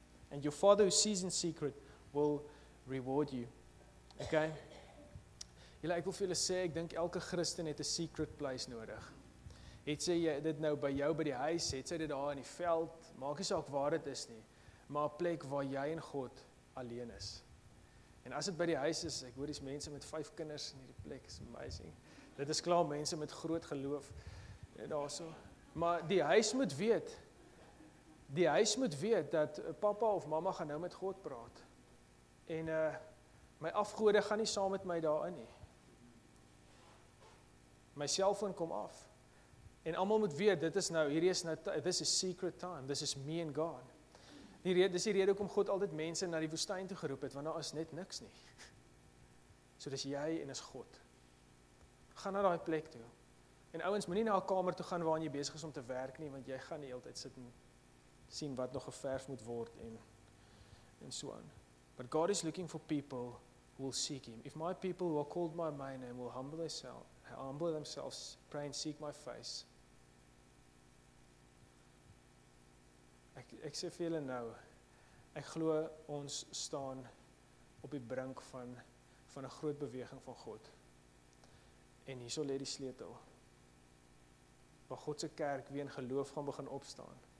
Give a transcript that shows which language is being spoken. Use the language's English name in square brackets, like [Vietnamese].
[English] And your father who sees in secret will reward you. Okay? [Afrikaans] Julle, ek wil vir julle sê, ek dink elke Christen het 'n secret place nodig. Het sê jy dit nou by jou by die huis, het sê dit daar in die veld, maak nie saak waar dit is nie, maar 'n plek waar jy en God alleen is. En as dit by die huis is, ek hoor dis mense met 5 kinders in hierdie plek, is amazing. Dit is klaar mense met groot geloof, daar so. Maar die huis moet weet dat papa of mama gaan nou met God praat. En my afgode gaan nie saam met my daarin nie. My selfoon kom af. En almal moet weet, dit is [English] a secret time. This is me and God. [Afrikaans] Dis die rede hoekom God altyd mense na die woestyn toe geroep het, want daar is net niks nie. So dis jy en is God. Gaan na daai plek toe. En ouens, moenie na 'n kamer toe gaan waar jy besig is om te werk nie, want jy gaan die hele tyd sit en sien wat nog geverf moet word en so aan. [English] But God is looking for people who will seek him. If my people who are called by my name will humble themselves, humble themselves, pray and seek my face. [Afrikaans] Ek sê vir julle nou, ek glo ons staan op die brink van 'n groot beweging van God. En hierso lê die sleutel. Waar God se kerk weer in geloof gaan begin opstaan.